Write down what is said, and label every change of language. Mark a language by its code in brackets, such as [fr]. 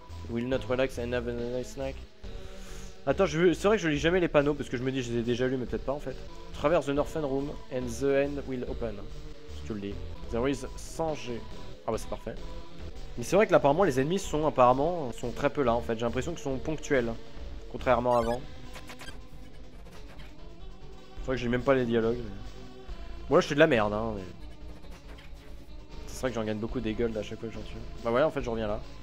[en] Will not relax and have a nice snack. [fr] Attends, c'est vrai que je lis jamais les panneaux parce que je me dis je les ai déjà lus, mais peut-être pas en fait. [en] Traverse the Northern Room and the end will open. [fr] Si tu le dis. [en] There is 100G. [fr] Ah bah c'est parfait. Mais c'est vrai que là, apparemment, les ennemis sont très peu là en fait. J'ai l'impression qu'ils sont ponctuels. Contrairement à avant. C'est vrai que j'ai même pas les dialogues. Mais... Bon là, je suis de la merde. Hein, mais... C'est vrai que j'en gagne beaucoup des gold à chaque fois que j'en tue. Bah ouais, en fait, je reviens là.